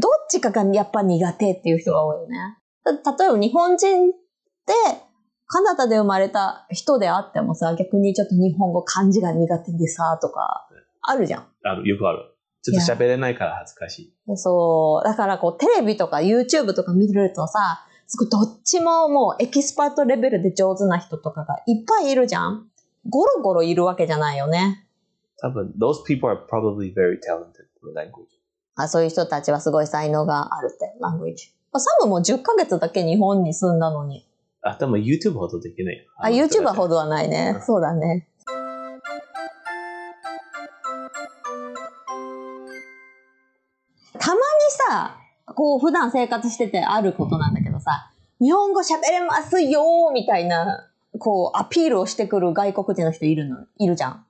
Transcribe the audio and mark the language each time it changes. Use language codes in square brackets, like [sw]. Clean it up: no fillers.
[ja] どっちかがやっぱ苦手っていう人が多いよね。例えば日本人でカナダで生まれた人であってもさ、逆にちょっと日本語漢字が苦手でさとかあるじゃん。ある、よくある。ちょっと喋れないから恥ずかしい。そう。だからこうテレビとか YouTube とか見るとさ、すごいどっちももうエキスパートレベルで上手な人とかがいっぱいいるじゃん。ゴロゴロいるわけじゃないよね。多分 [en] those people are probably very talented for language. [ja] あ、そういう人たちはすごい才能があるって language。サムも10ヶ月だけ日本に住んだのに。あ、でも YouTube ほどできない。あ、YouTube ほどはないね。そうだね。たまにさ、こう普段生活しててあることなんだけどさ、日本語喋れますよーみたいなこうアピールをしてくる外国人の人いるの、いるじゃん。